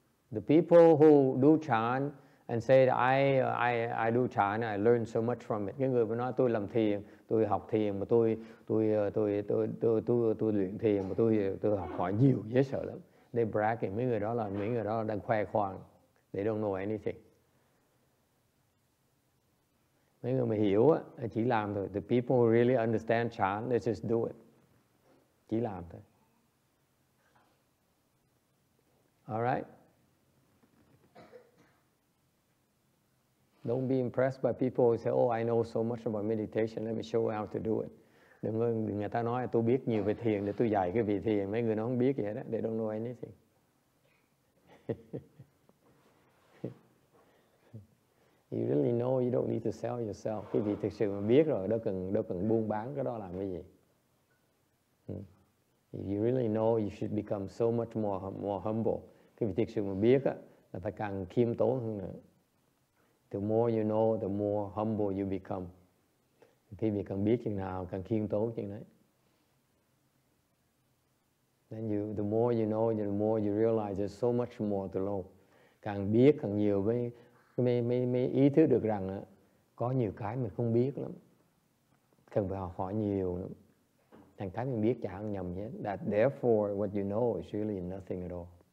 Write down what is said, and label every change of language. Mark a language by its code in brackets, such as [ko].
[en] The people who do chán and say that I do chán, I learn so much from it. [vi] Cái người mà nói tôi làm thiền, tôi học thiền mà tôi luyện thiền mà tôi học hỏi nhiều dễ sợ lắm. [en] They bragging. [vi] Mấy người đó là đang khoe khoang. [en] They don't know anything. [vi] Mấy người mà hiểu á, chỉ làm thôi. [en] The people who really understand chán, they just do it. [vi] Chỉ làm thôi. [en] Alright? Don't be impressed by people who say, oh, I know so much about meditation, let me show how to do it. [vi] Đừng có người ta nói, tôi biết nhiều về thiền, để tôi dạy cái vị thiền. Mấy người nó không biết gì hết á, [en] they don't know anything. You really know you don't need to sell yourself. [vi] Cái vị thực sự mà biết rồi, đâu cần buôn bán cái đó làm cái gì. [en] If you really know, you should become so much more humble. [vi] Cái vị thực sự mà biết á, là phải càng khiêm tốn hơn nữa. [en] The more you know, the more humble you become. [vi] Khi mình càng biết chừng nào, càng khiêm tốn chừng đấy. [en] Then the more you know, the more you realize there's so much more to know. [vi] Càng biết càng nhiều với mới ý thức được rằng á, có nhiều cái mình không biết lắm, cần phải học hỏi nhiều lắm. Thành cái mình biết chả ăn nhầm hết. [en] That therefore what you know is really nothing at all.